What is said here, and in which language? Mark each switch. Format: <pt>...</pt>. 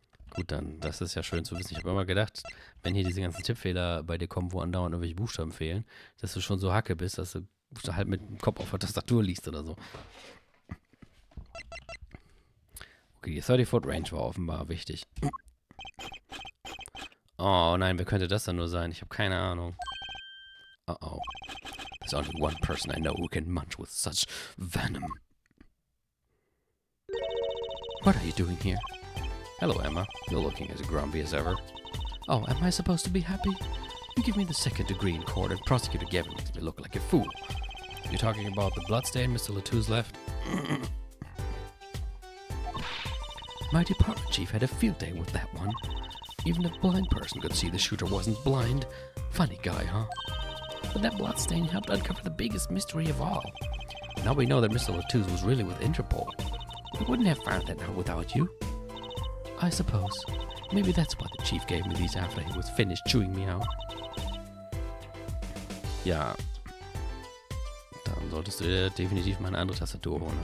<de>Gut, dann, das ist ja schön zu wissen. Ich habe immer gedacht, wenn hier diese ganzen Tippfehler bei dir kommen, wo andauernd irgendwelche Buchstaben fehlen, dass du schon so Hacke bist, dass du halt mit dem Kopf auf der Tastatur liegst oder so. Okay, die 30-Foot-Range war offenbar wichtig. Oh nein, wer könnte das dann nur sein? Ich habe keine Ahnung. Uh-oh.</de> <en>There's only one person I know who can munch with such venom. What are you doing here? Hello, Emma. You're looking as grumpy as ever. Oh, am I supposed to be happy? You give me the second degree in court and Prosecutor Gavin makes me look like a fool. You're talking about the bloodstain Mr. Latou's left? My department chief had a field day with that one. Even a blind person could see the shooter wasn't blind. Funny guy, huh? But that bloodstain helped uncover the biggest mystery of all. Now we know that Mr. Latou's was really with Interpol. We wouldn't have found that out without you. I suppose. Maybe that's why the chief gave me these after he was finished chewing me out.</en> <de>Ja. Dann solltest du dir definitiv mal eine andere Tastatur holen.</de>